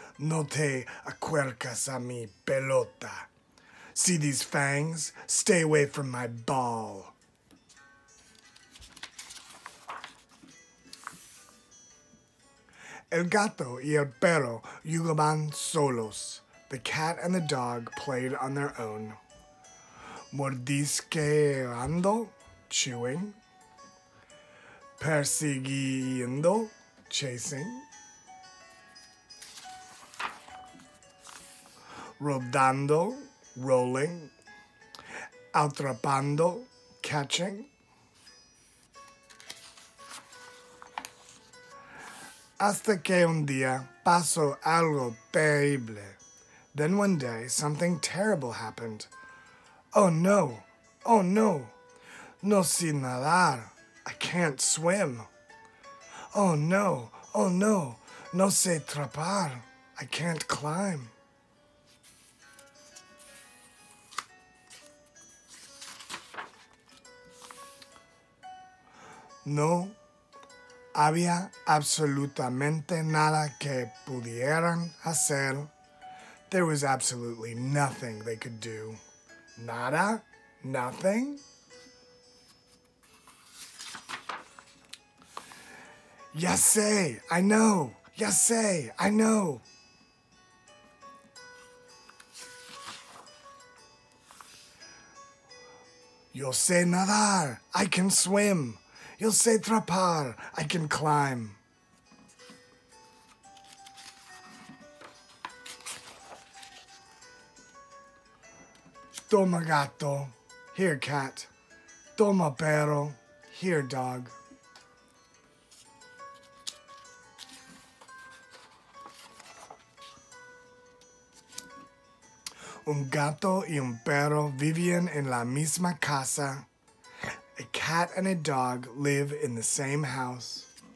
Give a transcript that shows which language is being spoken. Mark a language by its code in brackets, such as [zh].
[es] No te acuercas a mi pelota. [en] See these fangs? Stay away from my ball. [es] El gato y el perro jugaban solos. [en] The cat and the dog played on their own. [es] Mordisqueando, chewing. Persiguiendo, chasing. Rodando, rolling. Atrapando, catching. Hasta que un día pasó algo terrible. [en] Then one day, something terrible happened. Oh no, oh no. [es] No sé nadar, [en] I can't swim. [es] Oh no, no sé trepar, [en] I can't climb. [es] No. Había absolutamente nada que pudieran hacer. [en] There was absolutely nothing they could do. [es] Nada? [en] Nothing? [es] Ya sé, [en] I know. [es] Ya sé, I know. Yo sé nadar. [en] I can swim. [es] Yo sé trepar, [en] I can climb. [es] Toma gato, [en] here cat. [es] Toma perro, [en] here dog. [es] Un gato y un perro vivían en la misma casa. [en] A cat and a dog live in the same house.